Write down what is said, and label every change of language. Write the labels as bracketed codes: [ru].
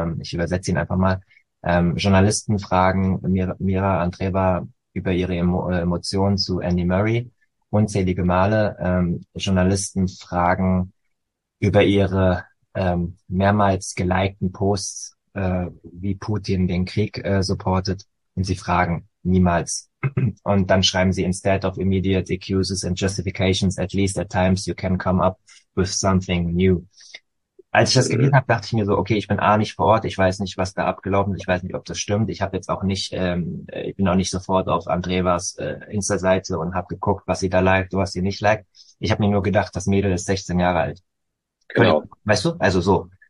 [de] Ich übersetze ihn einfach mal. Journalisten fragen Mira Andreeva über ihre Emotionen zu Andy Murray unzählige Male. Journalisten fragen über ihre mehrmals gelikten Posts, wie Putin den Krieg supportet. Und sie fragen niemals. Und dann schreiben sie, [en] instead of immediate excuses and justifications, at least at times you can come up with something new. [de] Als ich das gelesen habe, dachte ich mir so, okay, ich bin A nicht vor Ort, ich weiß nicht, was da abgelaufen ist, ich weiß nicht, ob das stimmt. Ich habe jetzt auch nicht, ich bin auch nicht sofort auf Andrevas Insta-Seite und habe geguckt, was sie da liked und was sie nicht liked. Ich habe mir nur gedacht, das Mädel ist 16 Jahre alt. Völlig, Genau. weißt du? Also so.